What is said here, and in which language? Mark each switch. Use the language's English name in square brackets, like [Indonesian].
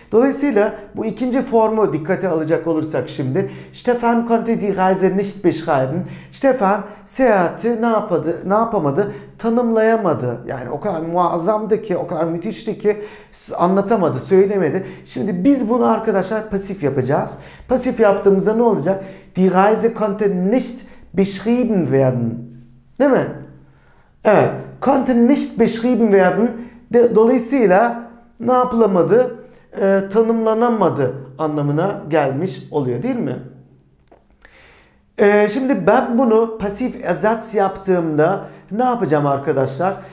[Turkish] Dolayısıyla bu ikinci formu dikkate alacak olursak şimdi [German] Stefan konnte die Reise nicht beschreiben. [Turkish] Stefan seyahati ne yapadı? Ne yapamadı? Tanımlayamadı. Yani o kadar muazzamdı ki, o kadar müthişti ki anlatamadı, söylemedi. Şimdi biz bunu arkadaşlar pasif yapacağız. Pasif yaptığımızda ne olacak? [German] Die Reise konnte nicht beschrieben werden. [Turkish] Değil mi? Evet, [German] konnte nicht beschrieben werden, [Turkish] dolayısıyla ne yapılamadı, tanımlanamadı anlamına gelmiş oluyor değil mi? Şimdi ben bunu pasif ersatz yaptığımda ne yapacağım arkadaşlar?